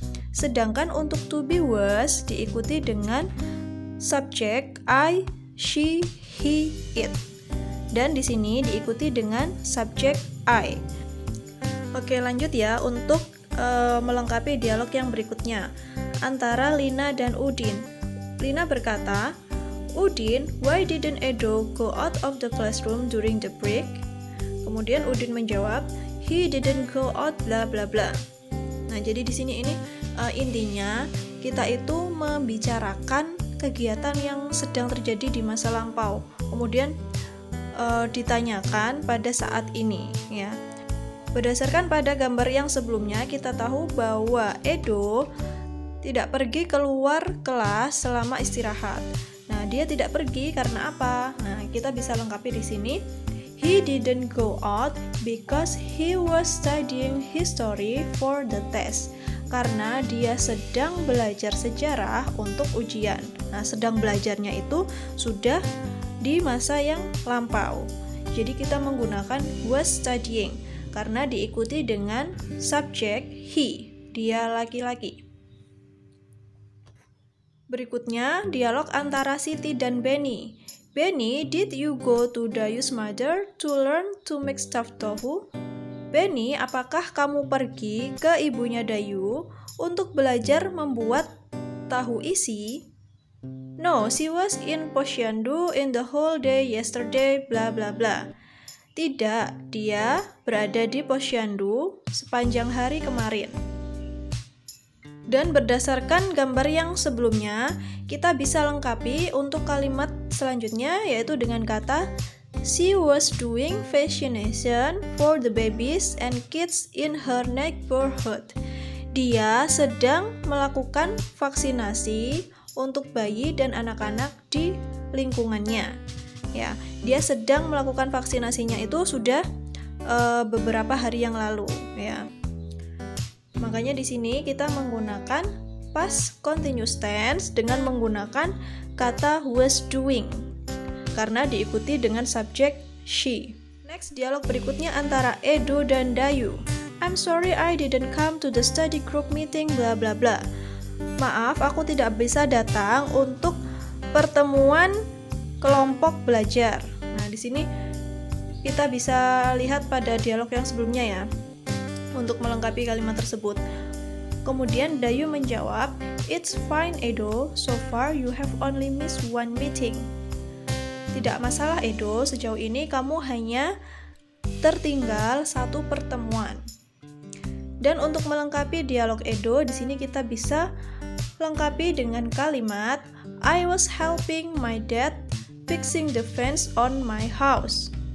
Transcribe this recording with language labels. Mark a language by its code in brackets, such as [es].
[id] Sedangkan untuk to be, was diikuti dengan subjek I, she, he, it. Dan di sini diikuti dengan subjek I. Oke, lanjut ya untuk melengkapi dialog yang berikutnya antara Lina dan Udin. Lina berkata, [en] Udin, why didn't Edo go out of the classroom during the break? [id] Kemudian Udin menjawab, [en] he didn't go out blah blah blah. [id] Nah, jadi di sini ini intinya kita itu membicarakan kegiatan yang sedang terjadi di masa lampau. Kemudian ditanyakan pada saat ini, ya. Berdasarkan pada gambar yang sebelumnya, kita tahu bahwa Edo tidak pergi keluar kelas selama istirahat. Nah, dia tidak pergi karena apa? Nah, kita bisa lengkapi di sini. [en] He didn't go out because he was studying history for the test. [id] Karena dia sedang belajar sejarah untuk ujian. Nah, sedang belajarnya itu sudah di masa yang lampau. Jadi, kita menggunakan was studying. Karena diikuti dengan subjek he, dia laki-laki. Berikutnya, dialog antara Siti dan Benny. [en] Benny, did you go to Dayu's mother to learn to make stuffed tofu? [id] Benny, apakah kamu pergi ke ibunya Dayu untuk belajar membuat tahu isi? [en] No, she was in Posyandu in the whole day yesterday, blah blah blah. [id] Tidak, dia berada di Posyandu sepanjang hari kemarin. Dan berdasarkan gambar yang sebelumnya, kita bisa lengkapi untuk kalimat selanjutnya, yaitu dengan kata [en] She was doing vaccination for the babies and kids in her neighborhood. [id] Dia sedang melakukan vaksinasi untuk bayi dan anak-anak di lingkungannya. Ya, dia sedang melakukan vaksinasinya itu sudah beberapa hari yang lalu, ya. Makanya di sini kita menggunakan past continuous tense dengan menggunakan kata was doing karena diikuti dengan subjek she. Next, dialog berikutnya antara Edo dan Dayu. [en] I'm sorry I didn't come to the study group meeting bla bla bla. [id] Maaf, aku tidak bisa datang untuk pertemuan kelompok belajar. Nah, di sini kita bisa lihat pada dialog yang sebelumnya ya, untuk melengkapi kalimat tersebut. Kemudian Dayu menjawab, [en] "It's fine, [id] Edo. [en] So far you have only missed one meeting." [id] Tidak masalah, Edo. Sejauh ini kamu hanya tertinggal satu pertemuan. Dan untuk melengkapi dialog Edo, di sini kita bisa lengkapi dengan kalimat, [en] "I was helping my dad fixing the fence on my house."